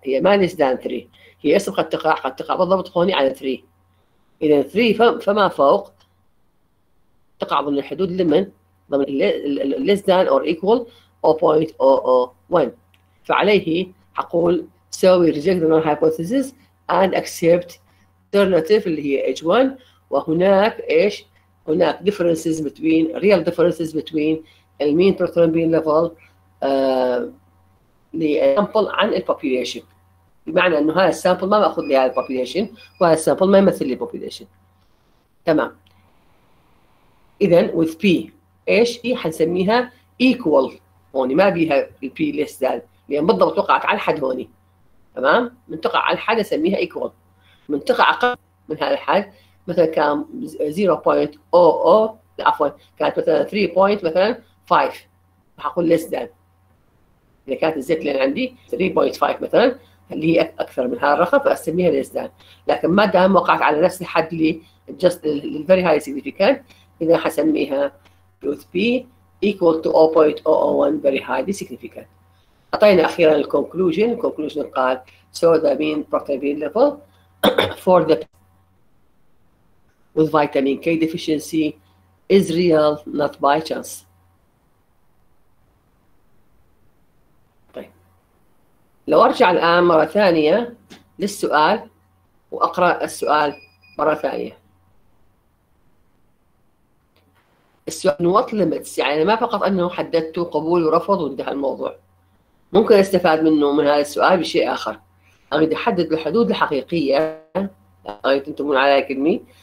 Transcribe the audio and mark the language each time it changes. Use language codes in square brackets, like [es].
[ar] هي ما [en] less than [ar] 3. هي أصبح قد تقع بالضبط هوني على 3. إذا 3 فما فوق تقع ضمن الحدود لمن؟ ضمن [en] less than or equal [ar] 0.001 فعليه حقول [en] so we reject the null hypothesis and accept alternative [ar] اللي هي H1 وهناك ايش؟ هناك [en] differences between real differences between the mean protrombin level [ar] sample عن [en] the population [ar] بمعنى انه هذا sample ما باخذ لي هذا the population وهذا sample ما يمثل لي population تمام. إذا with P إيش هي حنسميها equal هوني ما بيها P less than لأن بالضبط وقعت على الحد هوني تمام. من تقع على الحد أسميها equal من تقع أقل من هذا الحد مثلا كان 0.00 لا عفوا كانت مثلا 3.5 حقول [en] less than [ar] إذا كانت الزيت اللي عندي 3.5 مثلا اللي هي أكثر من هذا الرقم فأسميها less than لكن ما دام وقعت على نفس الحد اللي [en] just very high significant [ar] إذا حسميها [en] with P equal to 0.001 very highly significant. [ar] أعطينا أخيرا الـ conclusion. [en] الـ conclusion قال so the mean protein level for the with vitamin K deficiency is real not by chance. [ar] طيب لو أرجع الآن مرة ثانية للسؤال وأقرأ السؤال مرة ثانية السؤال [en] what limits [ar] يعني ما فقط انه حددت قبول ورفض وانتهى الموضوع ممكن استفاد منه من هذا السؤال بشيء اخر اريد احدد الحدود الحقيقيه اريد تنتبهون على كلمي